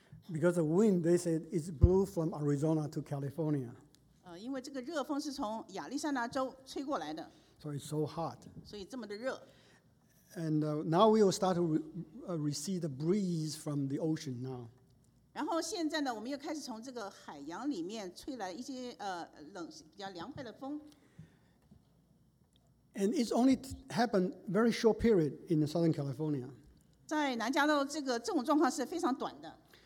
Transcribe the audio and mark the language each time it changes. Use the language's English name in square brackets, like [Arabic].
[English] Because the wind, they said, it blew from Arizona to California. [Chinese] 因为这个热风是从亚利桑那州吹过来的。 [English] So it's so hot. [Chinese] 所以这么的热。 [English] And now we will start to receive the breeze from the ocean now. [Chinese] 然后现在呢，我们又开始从这个海洋里面吹来一些 冷、比较凉快的风。 [English] And it's only happened very short period in Southern California. [Chinese] 在南加州这个这种状况是非常短的。